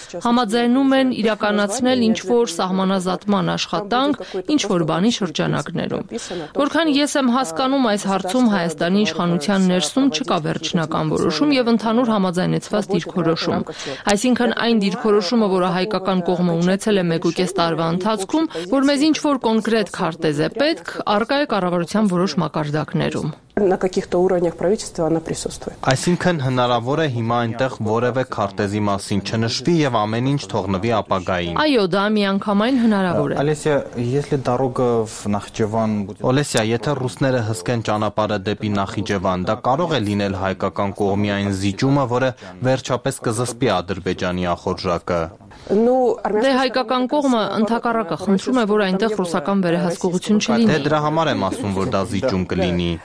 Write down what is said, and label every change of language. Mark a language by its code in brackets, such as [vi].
[hy] համաձայնում են իրականացնել ինչ-որ սահմանազատման աշխատանք ինչ-որ բանի շրջանակներում։ Որքան ես եմ հասկանում, այս հարցում Հայաստանի իշխանության ներսում չկա վերջնական որոշում եւ ընդհանուր համաձայնեցված դիրքորոշում։ Այսինքն, այն դիրքորոշումը, որը հայկական կողմը ունեցել է 1.5 տարվա ընթացքում, որ մեզ ինչ-որ կոնկրետ քարտեզ է պետք, առկա է կառավարության որոշ մակարդակներում։ [ru] На каких-то уровнях правительства она присутствует. [hy] Այսինքն հնարավոր է հիմա այնտեղ որևէ քարտեզի մասին չնշվի եւ ամեն ինչ թողնվի ապագային։ Այո, դա միանգամայն հնարավոր է։ [ru] Олеся, если дорога в Нахчеван будет [hy] Олеся, եթե ռուսները հսկեն ճանապարհը դեպի Նախիջևան, դա կարող է լինել հայկական կողմի այն զիջումը, որը վերջապես կզսպի Ադրբեջանի ախորժակը։ Դե հայկական կողմը ընդհակառակը խնդրում է, որ այնտեղ ռուսական վերահսկողություն չլինի։ Դե դրա համար եմ ասում, որ դա զիջում կլինի։